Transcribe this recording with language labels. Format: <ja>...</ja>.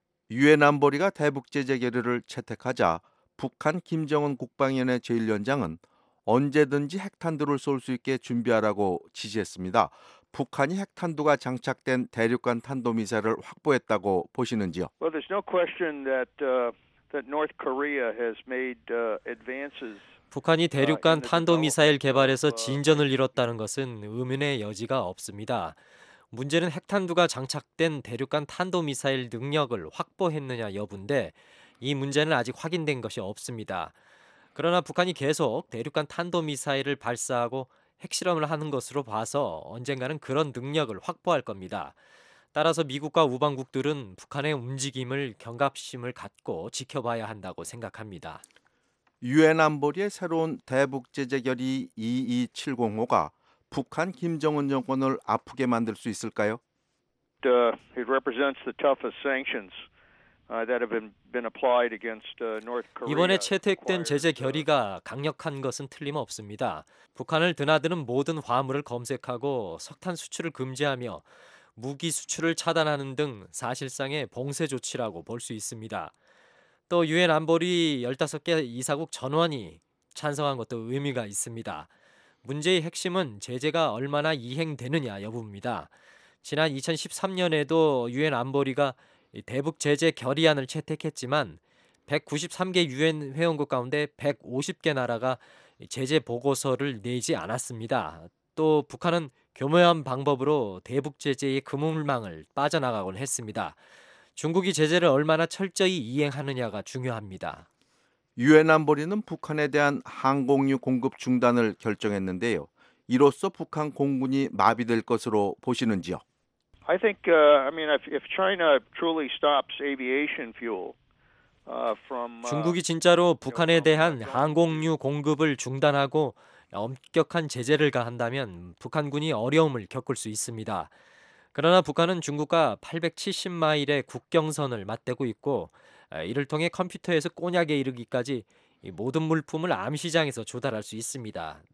<ko>유엔 안보리가 대북 제재 결의를 채택하자 북한 김정은 국방위원회 제1위원장은 언제든지 핵탄두를 쏠 수 있게 준비하라고 지시했습니다. 북한이 핵탄두가 장착된 대륙간 탄도미사일을 확보했다고 보시는지요?</ko> <en>Well, there's no question that North Korea has made advances.</en> <ko>북한이 대륙간 탄도미사일 개발에서 진전을 이뤘다는 것은 의문의 여지가 없습니다. 문제는 핵탄두가 장착된 대륙간 탄도미사일 능력을 확보했느냐 여부인데 이 문제는 아직 확인된 것이 없습니다. 그러나 북한이 계속 대륙간 탄도미사일을 발사하고 핵실험을 하는 것으로 봐서 언젠가는 그런 능력을 확보할 겁니다. 따라서 미국과 우방국들은 북한의 움직임을 경각심을 갖고 지켜봐야 한다고 생각합니다. 유엔 안보리의 새로운 대북 제재 결의 22705가 북한 김정은 정권을 아프게 만들 수 있을까요?</ko> <en>It represents the toughest sanctions that have been applied against North Korea.</en> <ko>이번에 채택된 제재 결의가 강력한 것은 틀림없습니다. 북한을 드나드는 모든 화물을 검색하고 석탄 수출을 금지하며 무기 수출을 차단하는 등 사실상의 봉쇄 조치라고 볼 수 있습니다. 또 유엔 안보리 15개 이사국 전원이 찬성한 것도 의미가 있습니다. 문제의 핵심은 제재가 얼마나 이행되느냐 여부입니다. 지난 2013년에도 유엔 안보리가 대북 제재 결의안을 채택했지만 193개 유엔 회원국 가운데 150개 나라가 제재 보고서를 내지 않았습니다. 또 북한은 교묘한 방법으로 대북 제재의 그물망을 빠져나가곤 했습니다. 중국이 제재를 얼마나 철저히 이행하느냐가 중요합니다. 유엔 안보리는 북한에 대한 항공유 공급 중단을 결정했는데요. 이로써 북한 공군이 마비될 것으로 보시는지요?</ko> <en>I think if China truly stops aviation fuel from</en> <ko>중국이 진짜로 북한에 대한 항공유 공급을 중단하고 엄격한 제재를 가한다면 북한군이 어려움을 겪을 수 있습니다. 그러나 북한은 중국과 870마일의 국경선을 맞대고 있고 이를 통해 컴퓨터에서 꼬냑에 이르기까지 모든 물품을 암시장에서 조달할 수 있습니다.</ko>